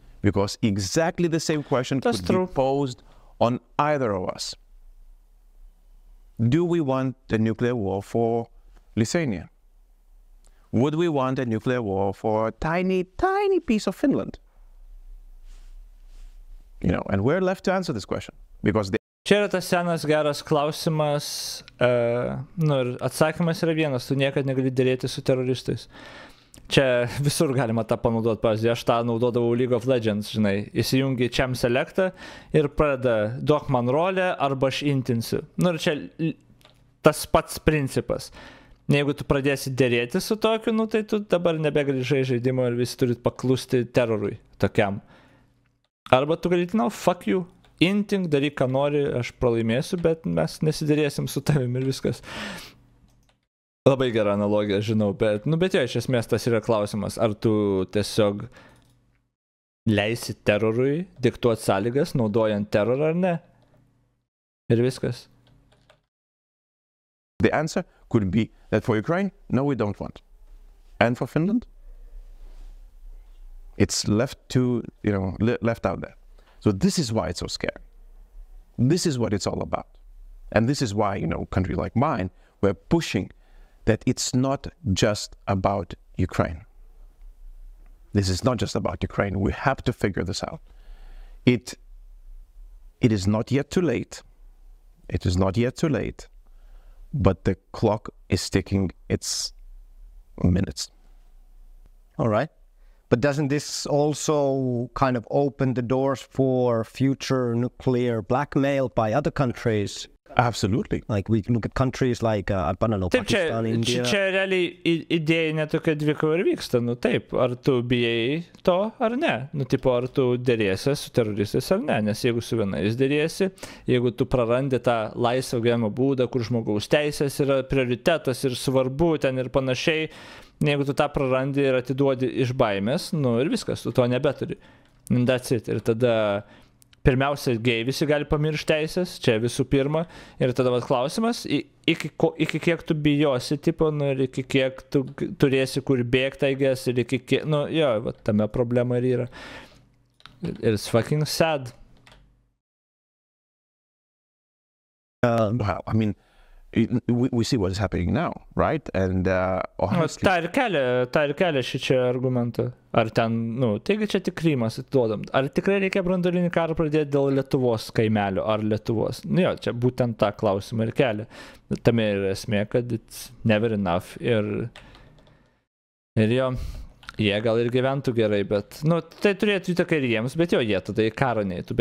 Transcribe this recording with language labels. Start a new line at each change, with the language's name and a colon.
English: Because exactly the same question could be posed on either of us. Do we want a nuclear war for Lithuania? Would we want a nuclear war for a tiny, tiny piece of Finland? You know, and we're left to answer this question because the
Lithuanian: čia yra tas senas geras klausimas, nu ir atsakymas yra vienas, tu niekad negali dėlėti su teroristais. čia visur galima tą panaudoti, pavyzdžiui, aš tą naudodavau League of Legends, žinai, įsijungi čem selectą ir pradeda, duok man rolę arba aš intinsiu. Nu ir čia tas pats principas. Jeigu tu pradėsi derėti su tokiu, nu tai tu dabar nebegrįžai žaidimo ir visi turit paklusti terorui tokiam. Arba tu galit,
English: no, fuck you,
Lithuanian: inting, daryk ką nori, aš pralaimėsiu, bet mes nesiderėsim su tavim ir viskas. Labai gera analogija, žinau, bet, nu, bet jo, iš esmės tas yra klausimas, ar tu tiesiog leisi terorui diktuoti sąlygas, naudojant terorą ar ne? Ir viskas.
English: The answer could be that for Ukraine, no, we don't want. And for Finland? It's left to, you know, left out there. So this is why it's so scary. This is what it's all about. And this is why, you know, a country like mine, we're pushing that it's not just about Ukraine. This is not just about Ukraine. We have to figure this out. It is not yet too late. It is not yet too late. But the clock is ticking its minutes. All right. But doesn't this also kind of open the doors for future nuclear blackmail by other countries? Absolutely. Like we look at countries like, I don't know,
Lithuanian: taip,
English: Pakistan,
Lithuanian: čia,
English: India.
Lithuanian: Čia, čia realiai idėja netokia dvikova ir vyksta. Nu taip, ar tu bijai to ar ne? Nu tipo, ar tu derėsi su teroristais ar ne? Nes jeigu su vienais derėsi, jeigu tu prarandi tą laisvą gyvenimo būdą, kur žmogaus teisės yra prioritetas ir svarbu ten ir panašiai, jeigu tu tą prarandi ir atiduodi iš baimės, nu ir viskas, tu to nebeturi.
English: And that's it.
Lithuanian: Ir tada... Pirmiausia, gei visi gali pamiršti teisės, čia visų pirma, ir tada vat klausimas, iki kiek tu bijosi, tipo, nu, ir iki kiek tu turėsi kur bėgti,
English: I guess,
Lithuanian: ir iki kiek, nu, jo, vat tame problema ir yra.
English: It's fucking sad. Well, I mean, we see what is happening now, right? And, honestly...
Lithuanian: Ta ir kelia šičia argumentą. Ar ten, nu, taigi čia tik Krymas atiduodam. Ar tikrai reikia branduolinį karą pradėti dėl Lietuvos kaimelio ar Lietuvos? Nu jo, čia būtent tą klausimą ir kelia. Tame yra esmė, kad
English: it's never enough.
Lithuanian: Ir jo, jie gal ir gyventų gerai, bet, nu, tai turėtų įtaką ir jiems, bet jo, jie tada į karą neįtų.